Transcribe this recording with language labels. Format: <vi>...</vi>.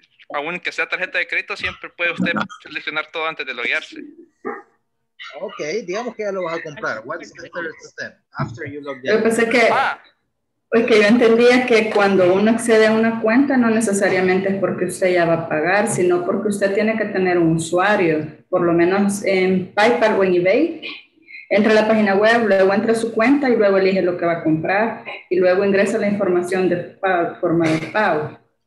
<es>Aún que sea tarjeta de crédito, siempre puede usted seleccionar todo antes de loguearse. Ok, digamos que ya lo vas a comprar.</es> <en>What's the third step after you log in?</en> <es>Yo pensé que, porque yo entendía que cuando uno accede a una cuenta no necesariamente es porque usted ya va a pagar, sino porque usted tiene que tener un usuario, por lo menos en PayPal o en eBay. Entra a la página web, luego entra a su cuenta y luego elige lo que va a comprar y luego ingresa la información de forma de pago.</es>